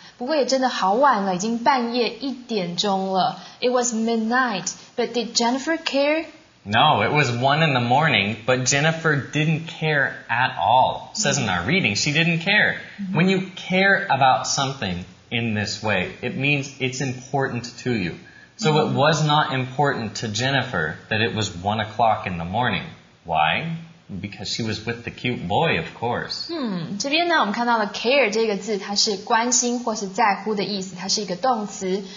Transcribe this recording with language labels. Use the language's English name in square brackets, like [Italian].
[Chinese] 不过也真的好晚了，已经半夜一点钟了。 [English] It was midnight, but did Jennifer care? No, it was 1 in the morning, but Jennifer didn't care at all. Says in our reading, she didn't care. When you care about something in this way, it means it's important to you. So it was not important to Jennifer that it was 1 o'clock in the morning. Why? Because she was with the cute boy, of course. [Chinese] 这边呢我们看到了 care 这个字它是关心或是在乎的意思它是一个动词。